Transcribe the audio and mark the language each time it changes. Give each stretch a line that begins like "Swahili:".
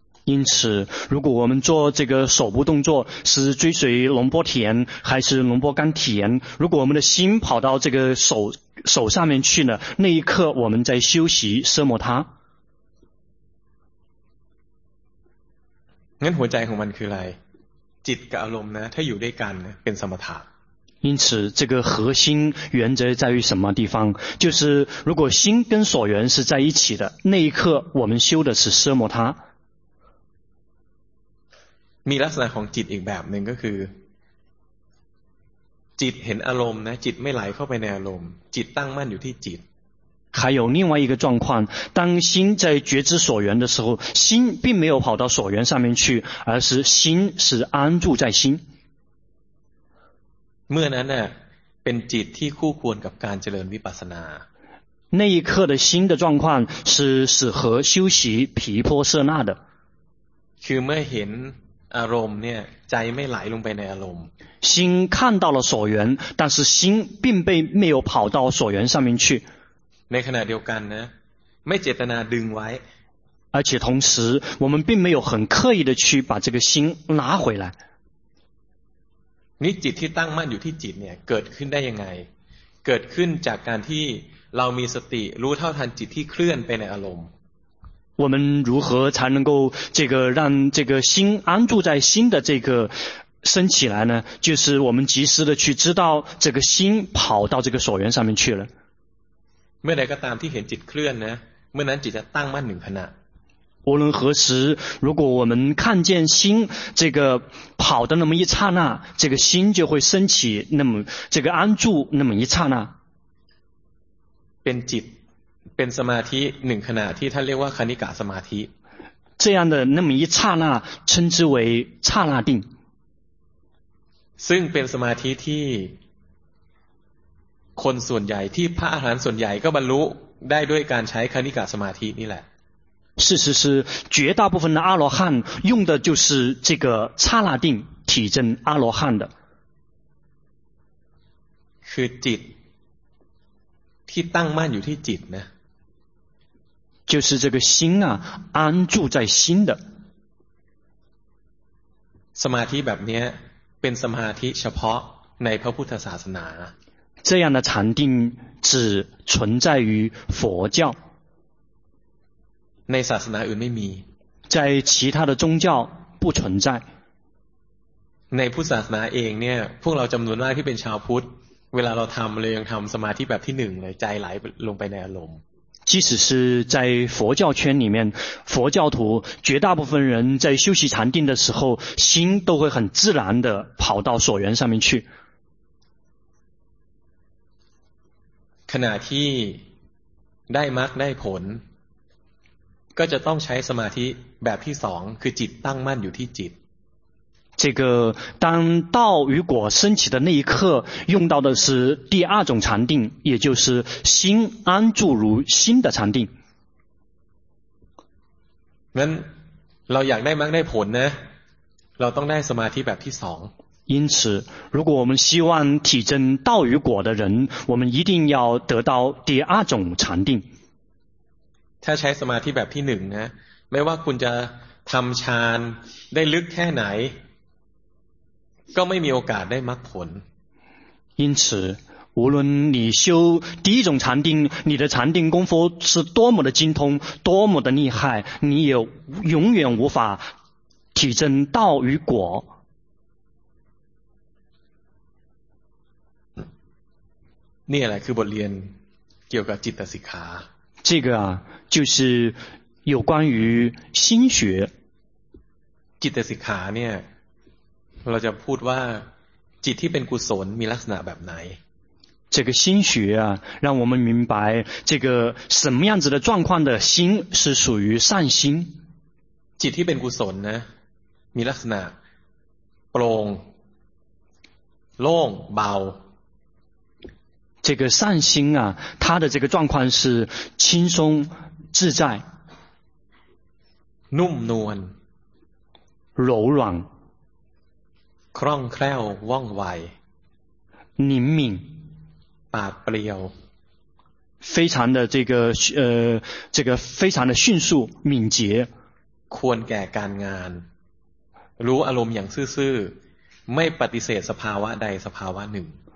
Chinese: 因此如果我们做这个手部动作是追随龙波田还是龙波甘田如果我们的心跑到这个手上面去呢那一刻我们在休息奢摩他
Thai: งั้นหัวใจของมันคืออะไรจิตกับอารมณ์นะถ้าอยู่ด้วยกันเป็นสมถะ
Chinese: 因此这个核心原则在于什么地方就是如果心跟所缘是在一起的那一刻我们修的是奢摩他
Thai: มีลักษณะของจิตอีกแบบหนึ่งก็คือจิตเห็นอารมณ์นะจิตไม่ไหลเข้าไปในอารมณ์จิตตั้งมั่นอยู่ที่จิต
Chinese: 还有另外一个状况当心在觉知所缘的时候心并没有跑到所缘上面去而是心是安住在心
Thai: เมื่อนั้นเป็นจิตที่คู่ควรกับการเจริญวิปัสสนา
Chinese: 那一刻的心的状况是适合修习毗婆舍那的
Thai: คือเมื่อเห็นอารมณ์เนี่ยใจไม่ไหลลงไปในอารมณ์
Chinese: 心看到了所缘但是心并没有跑到所缘上面去
Thai: ในขณะเดียวกันนะไม่เจตนาดึงไว้
Chinese: 而且同时我们并没有很刻意的去把这个心拿回来
Thai: นี่จิตที่ตั้งมั่นอยู่ที่จิตเนี่ยเกิดขึ้นได้ยังไงเกิดขึ้นจากการที่เรามีสติรู้เท่าทันจิตที่เคลื่อนไปในอารมณ์
Chinese: 我们如何才能够这个让这个心安住在心的这个升起来呢就是我们及时的去知道这个心跑到这个所缘上面去了
Thai: เมื่อใดก็ตามที่เห็นจิตเคลื่อนนะเมื่อนั้นจิตจะตั้งมั่นหนึ่งขณะ
Chinese: 无论何时如果我们看见心这个跑的那么一刹那这个心就会升起那么这个安住那么一刹那
Thai: เป็นจิต เป็นสมาธิหนึ่งขณะที่ท่านเรียกว่าคณิกะสมาธิ
Chinese: 这样的那么一刹那称之为刹那定
Thai: ซึ่งเป็นสมาธิที่คนส่วนใหญ่ที่พระอรหันต์ส่วนใหญ่ก็บรรลุได้ด้วยการใช้คณิกะสมาธินี่แหละ
Chinese: 事实是绝大部分的阿罗汉用的就是这个刹那定体证阿罗汉的
Thai: คือจิตที่ตั้งมั่นอยู่ที่จิตนะ
Chinese: 就是这个心啊安住在心的
Thai: สมาธิแบบนี้เป็นสมาธิเฉพาะในพระพุทธศาสนา
Chinese: 这样的禅定只存在于佛教
Thai: ในศาสนาอื่นไม่มี
Chinese: 在其他的宗教不存在
Thai: ในพุทธศาสนาเองเนี่ยพวกเราจำนวนมากที่เป็นชาวพุทธเวลาเราทำเลยยังทำสมาธิแบบที่หนึ่งเลยใจไหลลงไปในอารมณ์
Chinese: 即使是在佛教圈里面佛教徒绝大部分人在修习禅定的时候心都会很自然的跑到所缘上面去
Thai: ขณะที่ได้มรรคได้ผลก็จะต้องใช้สมาธิแบบที่สองคือจิตตั้งมั่นอยู่ที่จิต
Chinese: 这个当道与果升起的那一刻用到的是第二种禅定，也就是心安住如心的禅定。那老想
Thai: ได้มรรคได้ผลนะเราต้องได้สมาธิแบบที่สอง。
Chinese: 因此如果我们希望体证道与果的人，我们一定要得到第二种禅定。
Thai: ถ้าใช้สมาธิแบบที่หนึ่งนะไม่ว่าคุณจะทำฌานได้ลึกแค่ไหนก็ไม่มีโอกาสได้มรรคผล。
Chinese: 因此无论你修第一种禅定，你的禅定功夫是多么的精通，多么的厉害，你也永远无法体证道与果。这个就是关于心学。心学呢，我们要说，心学是一种什么样的性质？这个心学啊，让我们明白这个什么样子的状况的心是属于善心。
Thai: จิตที่เป็นกุศลนะมีลักษณะโปร่งโล่งเบา。
Chinese: 这个善心啊，它的这个状况是轻松自在。
Thai: นุ่มนวล。
Chinese: 柔软。
Thai: คล่องแคล่วว่องไว。
Chinese: 灵敏。
Thai: ปาดเปรียว
Chinese: 非常的这个这个非常的迅速敏捷
Thai: ควรแก่การงานรู้อารมณ์อย่างซื่อไม่ปฏิเสธสภาวะใดสภาวะหนึ่ง